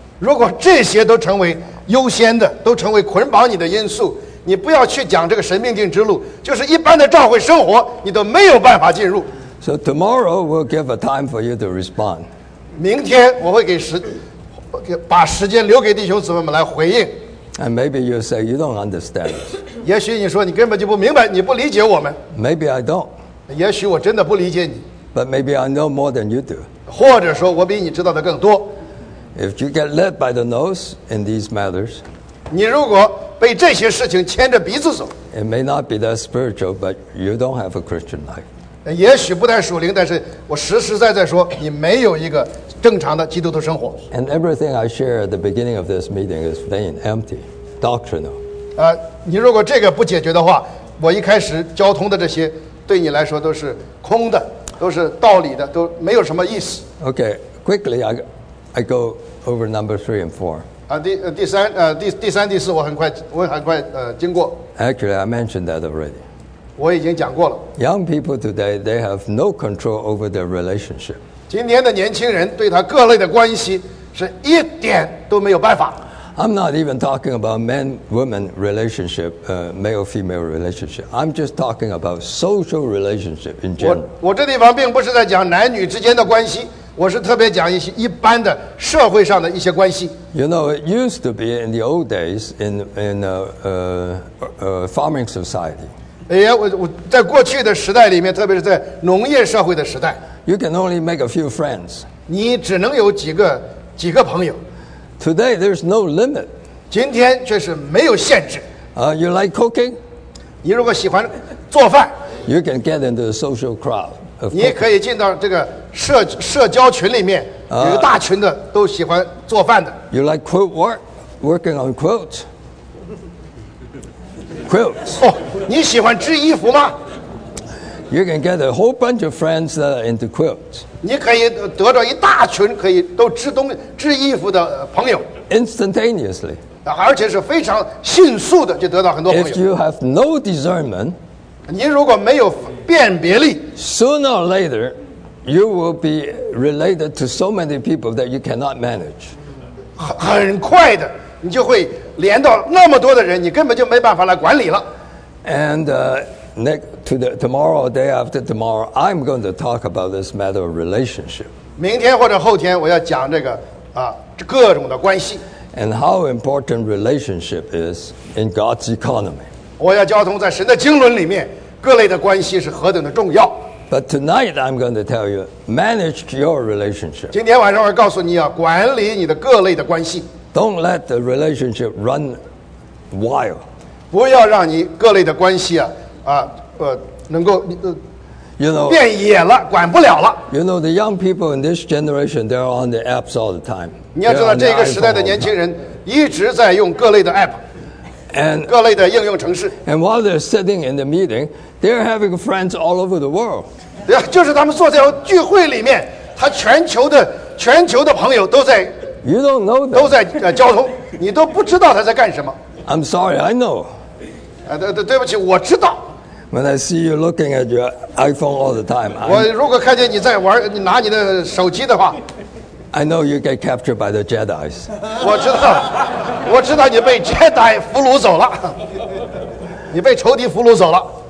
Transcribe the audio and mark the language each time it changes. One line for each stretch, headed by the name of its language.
Chinese: 如果这些都成为优先的，都成为捆绑你的因素。你不要去讲这个神命定之路，就是一般的教会生活，你都没有办法进入。
English: So tomorrow we'll give a time for you to respond.
Chinese: 明天我会给时，把时间留给弟兄姊妹们来回应。
English: And maybe you say you don't understand.
Chinese: 也许你说你根本就不明白，你不理解我们。
English: Maybe I don't.
Chinese: 也许我真的不理解你。
English: But maybe I know more than you do.
Chinese: 或者说我比你知道的更多。
English: If you get led by the nose in these matters,
Chinese: 你如果被这些事情牵着鼻子走，
English: it may not be that spiritual, but you don't have a Christian life.
Chinese: 也许不太属灵，但是我实实在在说，你没有一个正常的基督徒生活。
English: And everything I share at the beginning of this meeting is vain, empty, doctrinal.
Chinese: 你如果这个不解决的话，我一开始交通的这些对你来说都是空的，都是道理的，都没有什么意思。
English: Okay, quickly, I go over number 3 and 4.
Chinese: 第三、第四，我很快经过。
English: Actually, I mentioned that already.
Chinese: 我已经讲过了。
English: Young people today, they have no control over their relationship.
Chinese: 今天的年轻人对他各类的关系是一点都没有办法。
English: I'm not even talking about man-woman relationship, male-female relationship. I'm just talking about social relationship in general.
Chinese: 我这地方并不是在讲男女之间的关系。我是特别讲一些一般的社会上的一些关系。
English: You know, it used to be in the old days in farming society.
Chinese: 在过去的时代里面，特别是在农业社会的时代。
English: You can only make a few friends.
Chinese: 你只能有几个朋友。
English: Today there's no limit.
Chinese: 今天却是没有限制。
English: You like cooking?
Chinese: 你如果喜欢做饭。
English: You can get into the social crowd.
Chinese: 你可以进到这个社交群里面，有一大群的都喜欢做饭的。
English: You like quilt work, working on quilts. Quilts.
Chinese: 你喜欢织衣服吗
English: ？You can get a whole bunch of friends that are into quilts.
Chinese: 你可以得到一大群可以都织衣服的朋友。
English: Instantaneously.
Chinese: 而且是非常迅速的就得到很多朋友。
English: If you have no discernment.
Chinese: 你如果没有辨别力
English: ，sooner or later。 You will be related to so many people that you cannot manage.
Chinese: 很快的，你就会连到那么多的人，你根本就没办法来管理了。
English: And tomorrow, day after tomorrow, I'm going to talk about this matter of relationship.
Chinese: 明天或者后天，我要讲这个各种的关系。
English: And how important relationship is in God's economy.
Chinese: 我要交通在神的经纶里面，各类的关系是何等的重要。
English: But tonight I'm going to tell you, manage your relationship.
Chinese: 今天晚上我告诉你要管理你的各类的关系。
English: Don't let the relationship run wild.
Chinese: 不要让你各类的关系能够 you know, 变野了，管不了了。
English: You know the young people in this generation, they're on the apps all the time.
Chinese: 你要知道这个时代的年轻人一直在用各类的 app, and 各类的应用程式。
English: And while they're sitting in the meeting. They're having friends all over the world.
Chinese: 就是他们坐在聚会里面，他全球的朋友都在。
English: You don't know that.
Chinese: 都在交通，你都不知道他在干什么。
English: I'm sorry, I know.
Chinese: 对不起，我知道。
English: When I see you looking at your iPhone all the time,
Chinese: 我如果看见你在玩，你拿你的手机的话。
English: I know you get captured by the Jedi's.
Chinese: 我知道你被 Jedi 俘虏走了，你被仇敌俘虏走了。